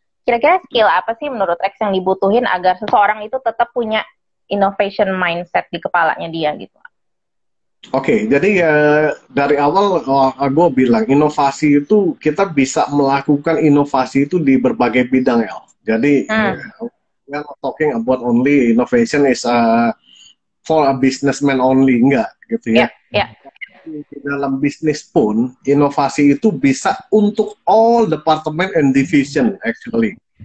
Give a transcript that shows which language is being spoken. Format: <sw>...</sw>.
<id>Kira-kira skill apa sih menurut Rex yang dibutuhin agar seseorang itu tetap punya innovation mindset di kepalanya dia gitu? Oke, jadi dari awal gue bilang inovasi itu kita bisa melakukan inovasi itu di berbagai bidang ya.</id> <en>Jadi we're not talking about only innovation is for a businessman only,</en> <id>enggak gitu ya. Di dalam bisnis pun inovasi itu bisa untuk</id> <en>all department and division actually.</en>